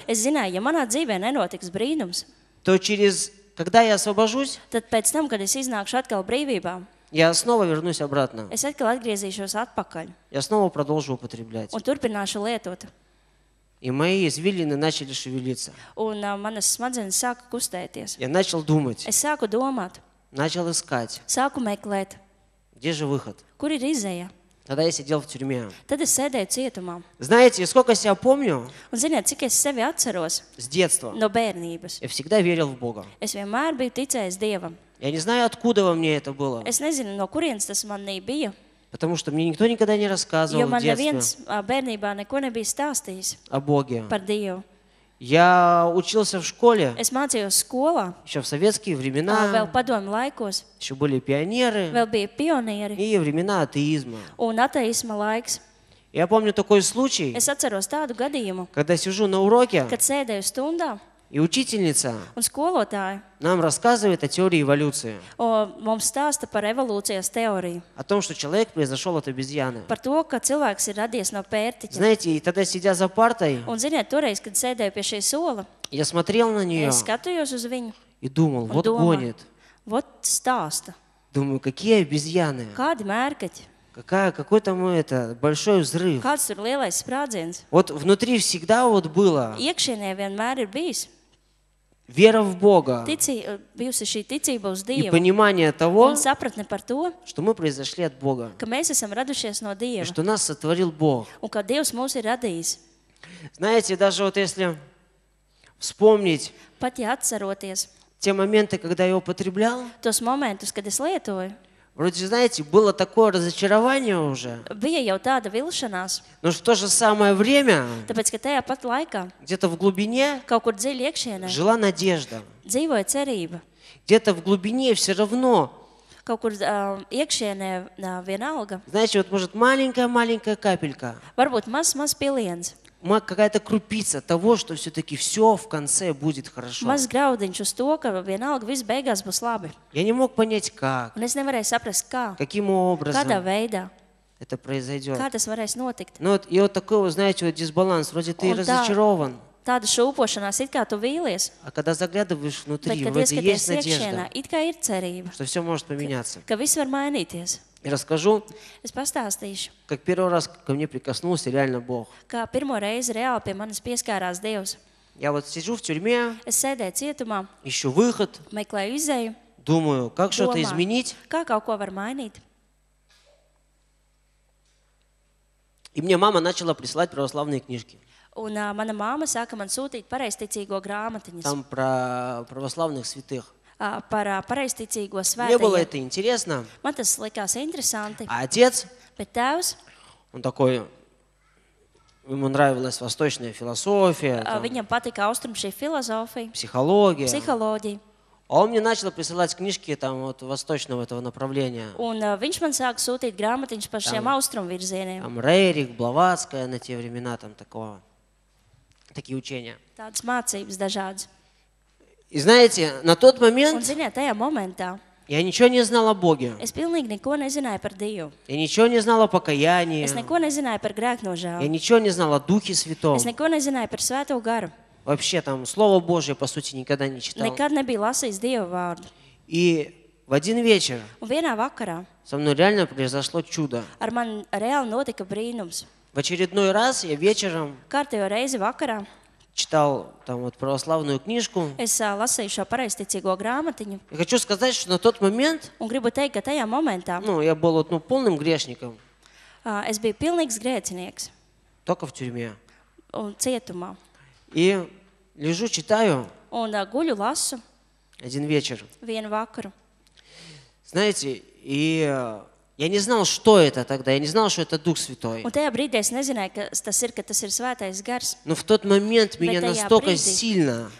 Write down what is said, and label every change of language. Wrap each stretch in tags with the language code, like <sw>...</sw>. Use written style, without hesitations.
<lv>es zināju, ja manā dzīvē nenotiks brīnums,</lv> <ru>то через, когда я освобожусь,</ru> <lv>tad pēc tam, kad es iznākšu atkal brīvībā,</lv> <ru>я снова вернусь обратно.</ru> <lv>Es atkal atgriezīšos atpakaļ.</lv> <ru>Я снова продолжу употреблять.</ru> <lv>Un turpināšu lietot.</lv> <ru>И мои извилины начали шевелиться.</ru> <lv>Un manas smadzenes sāka kustēties.</lv> <ru>Я начал думать.</ru> <lv>Es sāku domāt.</lv> <ru>Начал искать.</ru> <lv>Sāku meklēt.</lv> <ru>Где же выход?</ru> <lv>Kur ir izeja? Tad es sēdēju tюрьме. Tad es sēdēju cietumā.</lv> <ru>Знаете, сколько я помню?</ru> <lv>Un ziniet, cik es sevi atceros?</lv> <ru>С детства.</ru> <lv>No bērnības.</lv> <ru>Я всегда верил в Бога.</ru> <lv>Es vienmēr biju ticējis Dievam.</lv> <ru>Я не знаю, откуда во мне это было.</ru> <lv>Es nezinu, no kurienes tas manī bija.</lv> <ru>Потому что мне никто никогда не рассказывал в детстве.</ru> <lv>Jo man neviens bērnībā neko nebija stāstījis.</lv> <ru>О Боге.</ru> <lv>Par Dievu.</lv> <ru>Я учился в школе.</ru> <lv>Es mācījos skolā.</lv> <ru>Ещё в советские времена.</ru> <lv>Vēl padomju laikos.</lv> <ru>Ещё были пионеры.</ru> <lv>Vēl bija pionieri.</lv> <ru>И времена атеизма.</ru> <lv>Un ateisma laiks.</lv> <ru>Я помню такой случай.</ru> <lv>Es atceros tādu gadījumu.</lv> <ru>Когда сижу на уроке.</ru> <lv>Kad sēdēju stundā.</lv> <ru>И учительница.</ru> <lv>Un skolotāja.</lv> <ru>Нам рассказывает о теории эволюции.</ru> <lv>О, mums stāsta par evolūcijas teoriju.</lv> <ru>О том, что человек произошел от обезьяны.</ru> <lv>Par to, ka cilvēks ir radies no pērtiķa.</lv> <ru>Знаете, и тогда, сидя за партой.</ru> <lv>Un ziniet, toreiz, kad sēdēju pie šī sola.</lv> <ru>Я смотрел на нее.</ru> <lv>Es skatījos uz viņu.</lv> <ru>И думал, un вот гонит. Вот стаста. Думаю, какие обезьяны.</ru> <lv>Kādi mērķi.</lv> <ru>Какой там это большой взрыв.</ru> <lv>Kāds tur lielais sprādziens.</lv> <ru>Вот внутри всегда вот было.</ru> <lv>Iekšēnē vienmēr ir bijis.</lv> <ru>Вера в Бога.</ru> <lv>Bijusi šī ticība uz Dievu.</lv> <ru>И понимание того.</ru> <lv>Un sapratne par to.</lv> <ru>Что мы произошли от Бога.</ru> <lv>Ka mēs esam radušies no Dieva.</lv> <ru>И что нас сотворил Бог.</ru> <lv>Un ka Dievs mūs ir radījis.</lv> <ru>Знаете, даже вот если вспомнить.</ru> <lv>Pat ja atceroties.</lv> <ru>Те моменты, когда я употреблял.</ru> <lv>Tos momentus, kad es lietoju.</lv> <ru>Вроде, знаете, было такое разочарование уже.</ru> <lv>Bija jau tāda vilšanās.</lv> <ru>Но в то же самое время.</ru> <lv>Tāpēc, ka tajā pat laikā.</lv> <ru>Где-то в глубине.</ru> <lv>Kaut kur dziļi iekšēnē.</lv> <ru>Жила надежда.</ru> <lv>Dzīvoja cerība.</lv> <ru>Где-то в глубине все равно.</ru> <lv>Kaut kur iekšēnē vienalga.</lv> <ru>Знаете, вот может маленькая-маленькая капелька.</ru> <lv>Varbūt maz piliens.</lv> <ru>Какая-то крупица того, что все-таки все в конце будет хорошо.</ru> <lv>Maz graudiņš uz to, ka vienalga viss beigās būs labi.</lv> <ru>Я не мог понять, как.</ru> <lv>Un es nevarēju saprast, kā.</lv> <ru>Каким образом.</ru> <lv>Kādā veidā.</lv> <ru>это произойдет.</ru> <lv>Kā tas varēs notikt?</lv> <ru>Ну, и вот такой, вот, знаете, вот дисбаланс, вроде ты разочарован.</ru> <lv>Tāda šūpošanās, it kā tu vīlies.</lv> <ru>А когда заглядываешь внутри, вроде есть надежда.</ru> <lv>It kā ir cerība.</lv> <ru>Что все может поменяться.</ru> <lv>Ka viss var mainīties.</lv> <ru>И расскажу.</ru> <lv>Es pastāstīšu.</lv> <ru>Как первый раз ко мне прикоснулся реально Бог.</ru> <lv>Kā pirmo reizi reāli pie manis pieskārās Dievs.</lv> <ru>Я вот сижу в тюрьме.</ru> <lv>Es sēdēju cietumā.</lv> <ru>Ищу выход.</ru> <lv>Meklēju izeju.</lv> <ru>Думаю, как что-то изменить.</ru> <lv>Kā kaut ko var mainīt.</lv> <ru>И мне мама начала присылать православные книжки.</ru> <lv>Un mana mamma sāka man sūtīt pareizticīgo grāmatiņas.</lv> <ru>Там про православных святых.</ru> <lv>Par pareizticīgo svētajiem.</lv> <ru>Мне было это интересно.</ru> <lv>Man tas likās interesanti.</lv> <ru>А отец?</ru> <lv>Bet tēvs?</lv> <ru>Он такой, ему нравилась восточная философия.</ru> <lv>Viņam patika austrumšī filozofija.</lv> <ru>Психология. Психология. А он мне начал присылать книжки там вот восточного этого направления.</ru> <lv>Un viņš man sāka sūtīt grāmatiņas par šiem austrumvirzieniem.</lv> <ru>Там Рерих, Блаватская на те времена там такого. Такие учения.</ru> <lv>Tādas mācības dažādas.</lv> <ru>И знаете, на тот момент,</ru> <lv>Un, ziniet, tajā momentā,</lv> <ru>я ничего не знал о Боге.</ru> <lv>Es pilnīgi neko nezināju par Dievu.</lv> <ru>Я ничего не знал о покаянии.</ru> <lv>Es neko nezināju par grēknožēlu.</lv> <ru>Я ничего не знал о Духе Святом.</ru> <lv>Es neko nezināju par Svēto Garu.</lv> <ru>Вообще там Слово Божие, по сути, никогда не читал.</ru> <lv>Nekad nebija lasījis Dieva vārdu.</lv> <ru>И в один вечер,</ru> <lv>Un vienā vakarā,</lv> <ru>со мной реально произошло чудо.</ru> <lv>Ar mani reāli notika brīnums.</lv> <ru>В очередной раз я вечером</ru> <lv>Kārtējo reizi vakarā,</lv> <ru>читал там вот православную книжку.</ru> <lv>Es lasīju šo pareizticīgo grāmatiņu.</lv> <ru>Я хочу сказать, что на тот момент,</ru> <lv>Un gribu teikt, ka tajā momentā,</lv> <ru>ну, я был вот, ну, полным грешником.</ru> <lv>Es biju pilnīgs grēcinieks.</lv> <ru>Только в тюрьме.</ru> <lv>Un cietumā.</lv> <ru>И лежу, читаю.</ru> <lv>Un guļu lasu.</lv> <ru>Один вечер.</ru> <lv>Vienu vakaru.</lv> <ru>Знаете, и я не знал, что это тогда. Я не знал, что это Дух Святой.</ru> <lv>Un tajā brīdī es nezināju, ka tas ir Svētais Gars.</lv> <ru>Но в тот момент меня настолько сильно</ru>